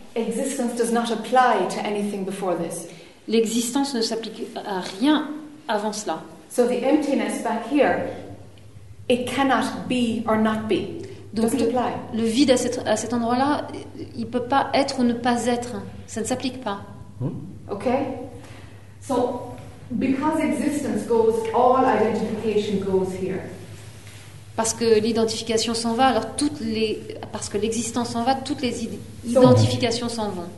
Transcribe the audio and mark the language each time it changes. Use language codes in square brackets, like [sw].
[en] Existence does not apply to anything before this. [fr] L'existence ne s'applique à rien avant cela. [en] So the emptiness back here, it cannot be or not be. [fr] Donc [en] doesn't apply. [fr] Le vide à cet endroit-là, il peut pas être ou ne pas être. Ça ne s'applique pas. [en] Okay. So because existence goes, all identification goes here. [fr] Parce que l'identification s'en va, alors parce que l'existence s'en va, toutes les identifications s'en vont.